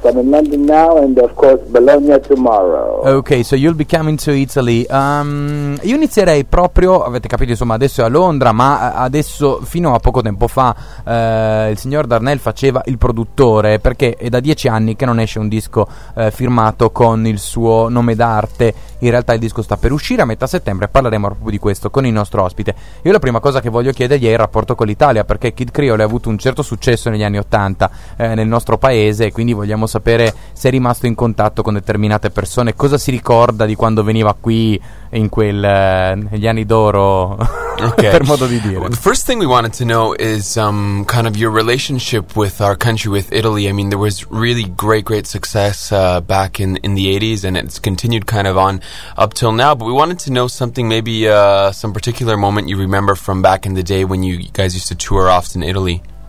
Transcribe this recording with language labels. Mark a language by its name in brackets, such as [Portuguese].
[English] I'm in London now, and of course, Bologna tomorrow. Okay, so you'll be coming to Italy. [Italian] Io inizierei proprio. Avete capito, insomma, adesso è a Londra, ma adesso, fino a poco tempo fa, il signor Darnell faceva il produttore, perché è da 10 anni che non esce un disco firmato con il suo nome d'arte. In realtà il disco sta per uscire a metà settembre, parleremo proprio di questo con il nostro ospite. Io la prima cosa che voglio chiedergli è il rapporto con l'Italia, perché Kid Creole ha avuto un certo successo negli anni 80 nel nostro paese, e quindi vogliamo sapere se è rimasto in contatto con determinate persone, cosa si ricorda di quando veniva qui in quel negli anni d'oro. [English] Okay. [Italian] Per modo di dire. [English] Well, the first thing we wanted to know is kind of your relationship with our country, with Italy. I mean, there was really great success back in the 80s, and it's continued kind of on up till now. But we wanted to know something, maybe some particular moment you remember from back in the day when you guys used to tour often Italy.